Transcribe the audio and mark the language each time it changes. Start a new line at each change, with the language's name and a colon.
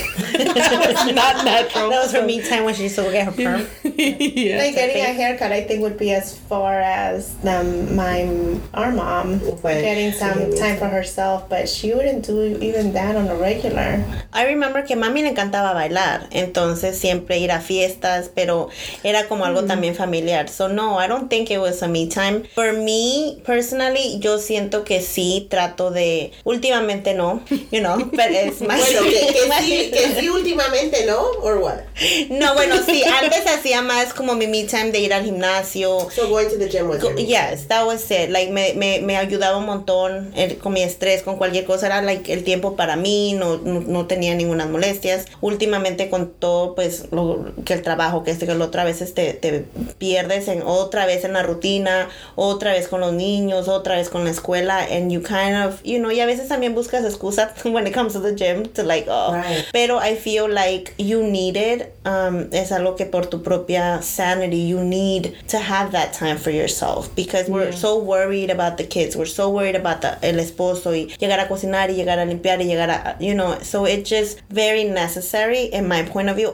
English: That was her me time when she used to get her perm. Yeah. Like getting a haircut, I think, would be as far as our mom getting some time for herself. But she wouldn't do even that on a regular. I remember
Spanish: que mami le encantaba bailar. Entonces, siempre ir a fiestas. Pero era como algo también familiar.
English: So, no, I don't think it was a me time. For me, personally,
Spanish: yo siento que sí trato de... Últimamente no,
English: you know, but it's my...
Spanish: Bueno, que sí últimamente no,
English: or what?
Spanish: No, bueno, sí, antes hacía más como mi me time de ir al gimnasio.
English: So going to the gym was your me time. Yes, that was it.
Spanish: Like, me ayudaba un montón con mi estrés, con cualquier cosa. Era, like, el tiempo para mí, no tenía ninguna molestias. Últimamente con todo, pues, lo que el trabajo, que este, que lo otra vez te pierdes en otra vez en la rutina, otra vez con los niños, otra vez con la escuela,
English: and you kind of, you know,
Spanish: y a veces también buscas excusa
English: when it comes to the gym to like, oh. Right. Pero I feel like you need it.
Spanish: Es algo que por tu propia
English: sanity, you need to have that time for yourself because we're so worried about the kids. We're so worried about
Spanish: el esposo y llegar a cocinar y llegar a limpiar y llegar a,
English: you know, so it's just very necessary in my point of view.